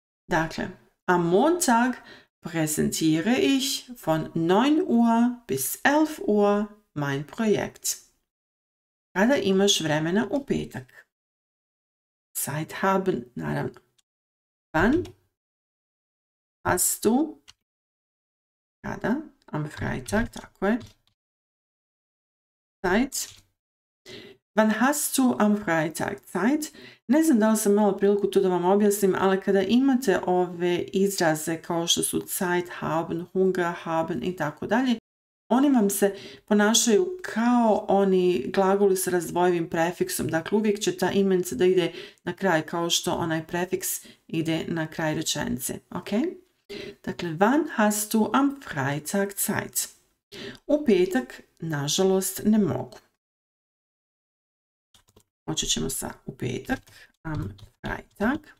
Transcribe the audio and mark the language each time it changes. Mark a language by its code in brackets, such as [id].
[de] Dakle, am Montag präsentiere ich von 9 Uhr bis 11 Uhr mein Projekt. [bs] Kada imaš vremena u petak? [de] Zeit haben, naravno. Wann hast du, kada, am Freitag, [bs] tako je, [de] Zeit? Wann hast du am Freitag Zeit? [bs] Ne znam da li sam imala priliku to da vam objasnim, ali kada imate ove izraze kao što su [de] Zeit haben, Hunger haben [bs] i tako dalje, oni vam se ponašaju kao oni glagoli sa razdvojivim prefiksom. Dakle, uvijek će ta imenica da ide na kraj kao što onaj prefiks ide na kraj rečenice. Ok? [de] Dakle, wann hast du am Freitag Zeit? [bs] U petak, nažalost, ne mogu. Počet ćemo sa u petak, [de] am Freitag.